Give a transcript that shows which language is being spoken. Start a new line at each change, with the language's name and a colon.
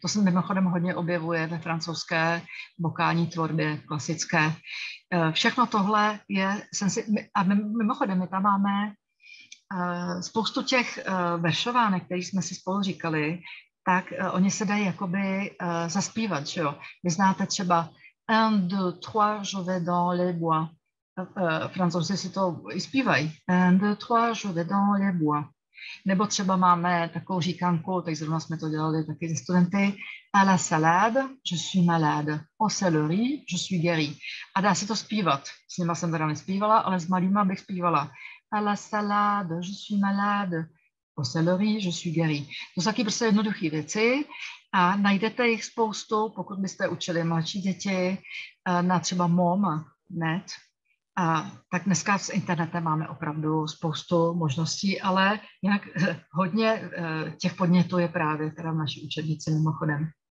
Czech: To se mimochodem hodně objevuje ve francouzské vokální tvorbě klasické. Všechno tohle je, a mimochodem my tam máme spoustu těch veršovánek, které jsme si spolu říkali, tak oni se dají jakoby zaspívat, že jo. Vy znáte třeba
French: 1, 2, 3, je vais dans les bois.
Czech: Francouzi si to i zpívají.
French: 1, 2, 3, je vais dans les bois.
Czech: Nebo třeba máme takovou říkanku, tak zrovna jsme to dělali taky ze studenty.
French: À la salade, je suis malade. Au céleri, je suis guéri.
Czech: A dá se to zpívat. S nima jsem teda nespívala, ale s malýma bych zpívala.
French: À la salade, je suis malade. Au céleri, je suis guéri.
Czech: To jsou taky prostě jednoduché věci a najdete jich spoustu, pokud byste učili mladší děti, na třeba mom.net, A tak dneska s internetem máme opravdu spoustu možností, ale jinak hodně těch podnětů je právě teda v naší učebnici mimochodem.